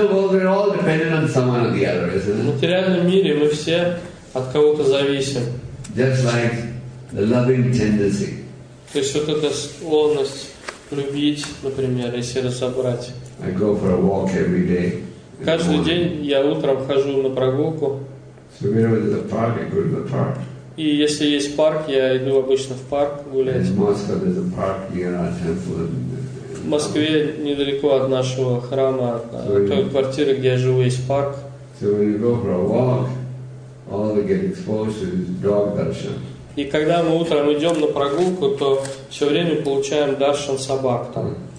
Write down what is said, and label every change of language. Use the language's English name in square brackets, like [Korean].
[Russian] В материальном мире мы все от кого-то зависим. [English] Just like the loving tendency. [Russian] То есть вот эта склонность любить, например, если разобрать. [English] I go for a walk every day. [Russian] Каждый день я утром хожу на прогулку. [English] So we go to the park, I go to the park. [Russian] И если есть парк, я иду обычно в парк гулять. [English] In Moscow, there's a park near our temple. [Russian] В Москве, недалеко от нашего храма, от той квартиры, где я живу, есть парк. [English] So when you go for a walk, all we get exposed to is dog darshan. [Russian] И когда мы утром идем на прогулку, то все время получаем даршан собак там.